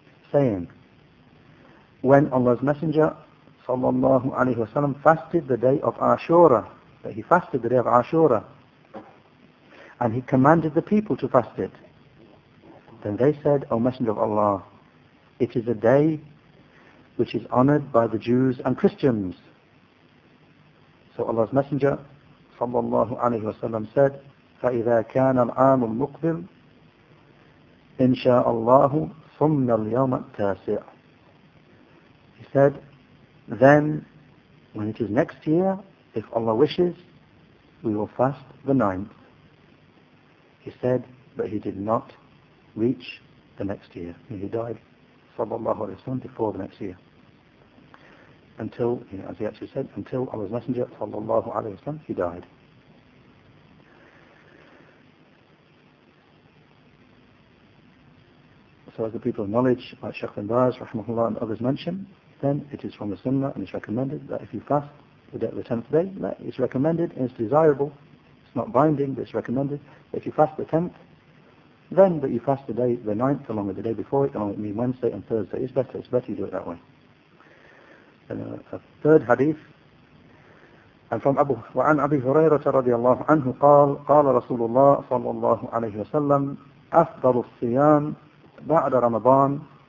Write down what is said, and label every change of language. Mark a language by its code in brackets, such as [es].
[en] saying, when Allah's Messenger, sallallahu alayhi wa sallam, fasted the day of Ashura, that he fasted the day of Ashura, and he commanded the people to fast it, then they said, O Messenger of Allah, it is a day which is honored by the Jews and Christians. So Allah's Messenger, sallallahu alayhi wa sallam, said, [ar] فَإِذَا كَانَ الْعَامُ الْمُقْبِلُ إِنْ شَاءَ اللَّهُ ثُمَّ الْيَوْمَ التَّاسِعُ. [en] He said, then, when it is next year, if Allah wishes, we will fast the ninth. He said, but he did not reach the next year. He died, sallallahu alayhi wa sallam, before the next year. Until, you know, as he actually said, until Allah's Messenger, sallallahu alayhi wa sallam, he died. So as the people of knowledge, like Shaykh bin Baz, rahimahullah, and others mention, then it is from the Sunnah, and it's recommended that if you fast the day of the 10th day, that it's recommended and it's desirable. It's not binding, but it's recommended. If you fast the 10th, then that you fast the day, the 9th, along with the day before it, along with Wednesday and Thursday. It's better you do it that way. And a third hadith, and from Abu, [ar] وَعَنْ أَبِي هُرَيْرَةَ رَضِيَ اللَّهُ عَنْهُ قَالَ رَسُولُ اللَّهِ صَلَّى اللَّهُ عَلَيْهِ وَسَلَّمْ أَفْضَلُ الصِّيَامِ بَعْدَ رَمَضَانِ